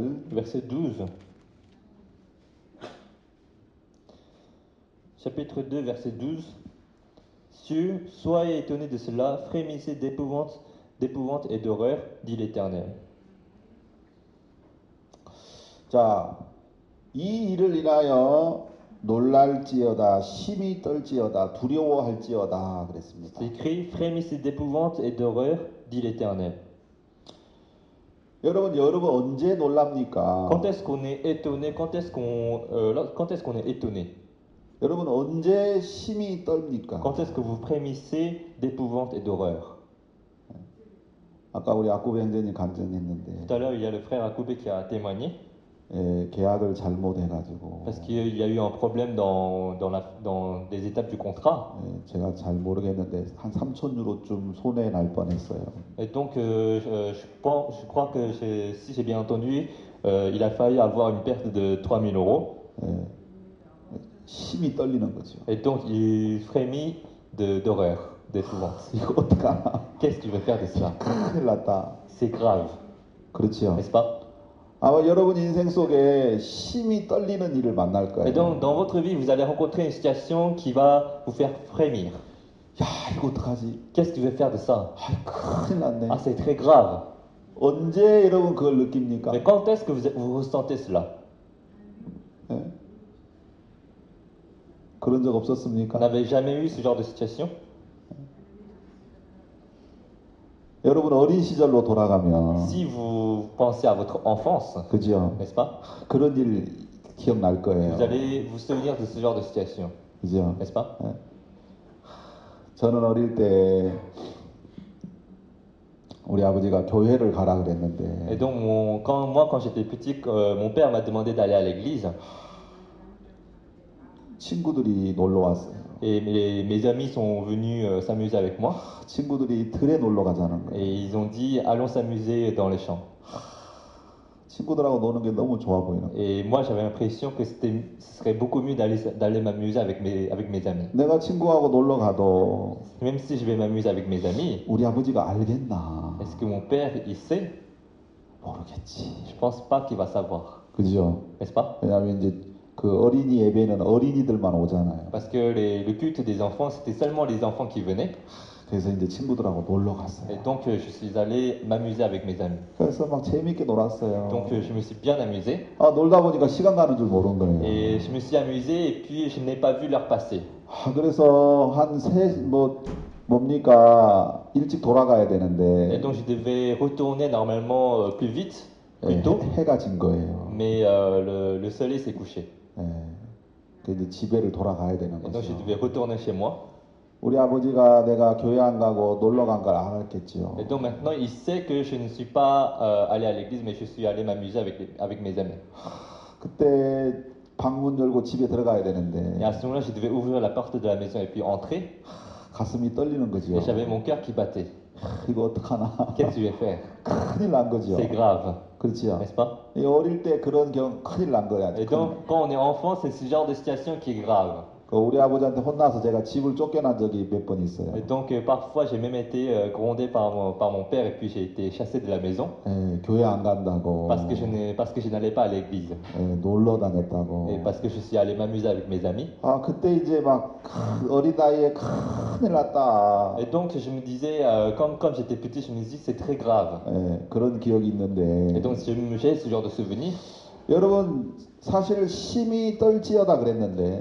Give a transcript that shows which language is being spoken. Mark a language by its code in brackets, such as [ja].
[fr] Verset 12. Chapitre 2, verset 12. Cieux, soyez étonnés de cela, frémissez d'épouvante et d'horreur, dit l'Éternel. [ko] 자, 이 일을 인하여 놀랄지어다, 심히 떨지어다, 두려워할지어다, 그랬습니다. [fr] C'est écrit, frémissez d'épouvante et d'horreur, dit l'Éternel. [ko] 여러분 언제 놀랍니까? [fr] Quand est-ce qu'on est étonné? Quand est-ce qu'on est étonné? [ko] 여러분 언제 심히 떨립니까? [fr] Quand est-ce que vous frémissez d'épouvante et d'horreur? [ko] 아까 우리 아쿠베 형제님 간증했는데. [fr] Tout à l'heure, il y a le frère Akoube qui a témoigné. [ko] 예, 계약을 잘못해가지고. [fr] Parce qu'il y a eu un problème dans les étapes du contrat. [ko] 예, 제가 잘 모르겠는데 한 3천 유로쯤 손해 날 뻔했어요. [fr] Et donc, je crois que si j'ai bien entendu, il a failli avoir une perte de 3000 euros. [ko] 예, 심이 떨리는 거죠. [fr] Et donc, il frémit d'horreur, d'épouvante. [ko] 이거 어떡하나? [fr] Qu'est-ce qu'il veut faire de cela? [ko] 큰일 났다. [fr] C'est grave. [ko] 그렇죠. [fr] N'est-ce pas? [ko] 아마 여러분 인생 속에 심히 떨리는 일을 만날 거예요. [fr] Et donc dans votre vie, vous allez rencontrer une situation qui va vous faire frémir. [ko] 야, 이거 어떡하지? [fr] Qu'est-ce que tu veux faire de ça? [ko] 아이, 큰일 났네. [fr] Ah, c'est très grave. [ko] 언제 여러분 그걸 느낍니까? [fr] Mais quand est-ce que vous ressentez cela? [ko] 네? 그런 적 없었습니까? [fr] N'avez jamais eu ce genre de situation? [ko] 여러분 어린 시절로 돌아가면 [fr] si vous pensez à votre enfance, [ko] 그죠? [fr] N'est-ce pas? [ko] 그런 일 기억날 거예요. [fr] Vous allez vous souvenir de ce genre de situation. [ko] 그죠? [fr] N'est-ce pas? [ko] 저는 어릴 때 우리 아버지가 교회를 가라 그랬는데 [fr] Et donc quand j'étais petit, mon père m'a demandé d'aller à l'église. [ko] 친구들이 놀러 왔어요. [fr] Et mes amis sont venus s'amuser avec moi. [ko] 친구들이 들에 놀러 가자는 거예요. [fr] Et ils ont dit allons s'amuser dans les champs. [ko] 친구들하고 노는 게 너무 좋아 보이는. [fr] Et moi j'avais l'impression que c'était ce serait beaucoup mieux d'aller m'amuser avec mes amis. [ko] 내가 친구하고 놀러 가도 [fr] même si je vais m'amuser avec mes amis. [ko] 우리 아버지가 알겠나? [fr] Est-ce que mon père il sait? [ko] 모르겠지. [fr] Je pense pas qu'il va savoir. [ko] 그죠? [fr] N'est-ce pas? [ko] 왜냐면 이제 그 어린이 예배는 어린이들만 오잖아요. [fr] Parce que le culte des enfants, c'était seulement les enfants qui venaient. [ko] 그래서 이제 친구들하고 놀러 갔어요. [fr] Et donc je suis allé m'amuser avec mes amis. [ko] 그래서 막 재밌게 놀았어요. [fr] Donc je me suis bien amusé. [ko] 아, 놀다 보니까 시간 가는 줄 모르는 거예요. [fr] Et je me suis amusé et puis je n'ai pas vu l'heure passer. [ko] 아, 그래서 한 세 뭐 뭡니까? 일찍 돌아가야 되는데. [fr] Et donc je devais retourner normalement plus vite. Plutôt. [ko] 예, 해가 진 거예요. [fr] Mais le soleil s'est couché. [ko] 예, 이제 집에를 돌아가야 되는 거죠. [fr] Donc je devais retourner chez moi. [ko] 우리 아버지가 내가 교회 안 가고 놀러 간 걸 알았겠지요. [fr] Et donc maintenant il sait que je ne suis pas allé à l'église, mais je suis allé m'amuser avec mes amis. [ko] 그때 방문 열고 집에 들어가야 되는데. [fr] Et à ce moment-là, je devais ouvrir la porte de la maison et puis entrer. [ko] 가슴이 떨리는 거죠. [fr] Et j'avais mon cœur qui battait. [ko] 이거 어떡하나? [fr] Qu'est-ce que je vais faire? [ko] 큰일 난 거죠. [fr] C'est grave. [ko] 그렇지요. [fr] N'est-ce pas? [ko] 이 어릴 때 그런 경 큰일 난 거야. [fr] Et donc quand on est enfant, c'est ce genre de situation qui est grave. [ko] 그 우리 아버지한테 혼나서 제가 집을 쫓겨난 적이 몇 번 있어요. [fr] Et donc parfois j'ai même été grondé par mon père et puis j'ai été chassé de la maison. [ko] 예, 교회 안 간다고. [fr] Parce que je n'allais pas à l'église. [ko] 예, 놀러 다녔다고. [fr] Et parce que je suis allé m'amuser avec mes amis. [ko] 아, 그때 이제 막 어린 나이에 큰일 났다. [fr] Et donc je me disais comme j'étais petit, je me disais c'est très grave. [ko] 예, 그런 기억이 있는데. [fr] Et donc j'ai ce genre de souvenir. [ko] 여러분 사실 심히 떨지어다 그랬는데.